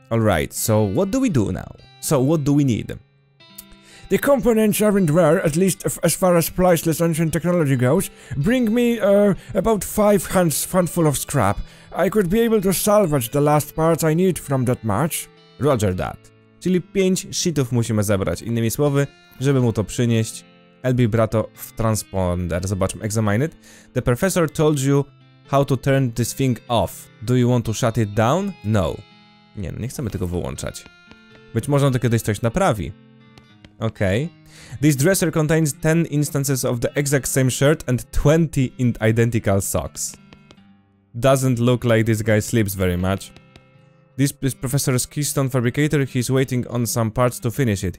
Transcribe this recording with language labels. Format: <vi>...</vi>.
<en>Alright, so what do we do now? So what do we need? The components aren't rare, at least as far as priceless ancient technology goes. Bring me about 5 handful of scrap. I could be able to salvage the last parts I need from that match. Roger that.</en> <pl>Czyli 5 sheetów musimy zebrać, innymi słowy, żeby mu to przynieść. El Vibrato w transponder. Zobaczmy,</pl> <en>examine it. The professor told you how to turn this thing off. Do you want to shut it down? No.</en> <pl>Nie, no nie chcemy tego wyłączać. Być może on to kiedyś coś naprawi.</pl> <en>Okay. This dresser contains 10 instances of the exact same shirt and 20 identical socks. Doesn't look like this guy sleeps very much. This is professor's keystone fabricator, he's waiting on some parts to finish it.</en>